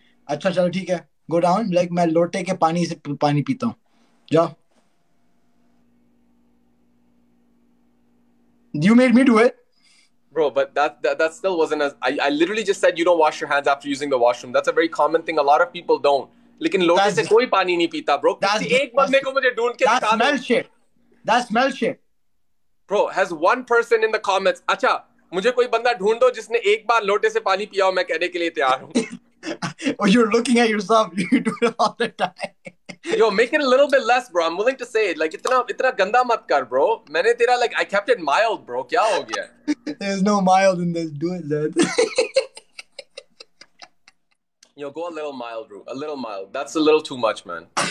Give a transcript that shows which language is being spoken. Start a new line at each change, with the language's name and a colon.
Hindi: Achha, chalo, theek hai.
English: Go down.
Hindi: Like, main lote ke paani se paani peeta hun. Ja.
English: You made me do it. Bro, but that still wasn't as... I literally just said you don't wash your hands after using the washroom. That's a very common thing. A lot of people don't.
Hindi: लेकिन लोटे से कोई पानी नहीं पीता bro किसी एक बंदे को मुझे ढूंढ के निकालो
English: that smell shit that smell shit bro has one person in the comments
Hindi: अच्छा मुझे कोई बंदा ढूंढो जिसने एक बार लोटे से पानी पिया हो मैं कहने के लिए तैयार हूं
English: You are looking at yourself you do it all the time Yo, make it a little bit less, bro. I'm willing to say it. Like,
Hindi: itna ganda mat kar,
English: bro.
Hindi: Maine tera,
English: like, I kept it mild, bro.
Hindi: Kya ho gaya?
English: There's no mild in this. Do it, Zed. Yo, go a little mild, bro. A little mild. That's a little too much, man.